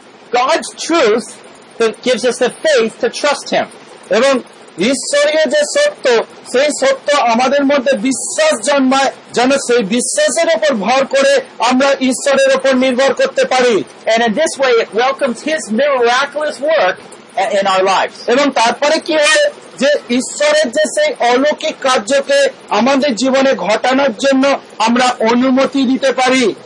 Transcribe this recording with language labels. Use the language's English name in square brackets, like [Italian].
[English] God's truth that gives us the faith to trust him. [Bangla] এবং ঈশ্বরের যে সত্য সেই সত্য আমাদের মধ্যে বিশ্বাস জন্মায় যেন সেই বিশ্বাসের উপর ভর করে আমরা ঈশ্বরের উপর নির্ভর করতে পারি। [English] And in this way it welcomes his miraculous work in our lives. [Bangla] এবং তারপরে কি হয় যে ঈশ্বরের যে সেই অলৌকিক কার্যকে আমাদের জীবনে ঘটানোর জন্য আমরা অনুমতি দিতে পারি।